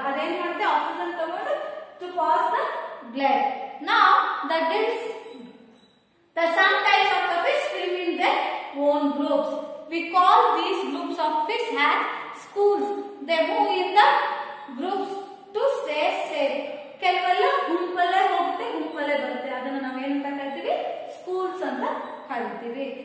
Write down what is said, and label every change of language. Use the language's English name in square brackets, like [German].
[Kannada] ಅದೇನ್ ಮಾಡುತ್ತೆ, ಆಕ್ಸಿಜನ್ ತಗೊಂಡು [English] To pass the blood. Now, the gills, the some types of the fish swim in their own groups. We call these groups of fish as schools. They move in the groups to stay safe. [Kannada] ಕೆಲವೆಲ್ಲ ಗುಂಪಲ್ಲೇ ಹೋಗುತ್ತೆ, ಗುಂಪಲ್ಲೇ ಬರುತ್ತೆ, ಅದನ್ನ ನಾವೇನಂತ ಕರಿತೀವಿ, schools ಅಂತ ಕರಿತೀವಿ.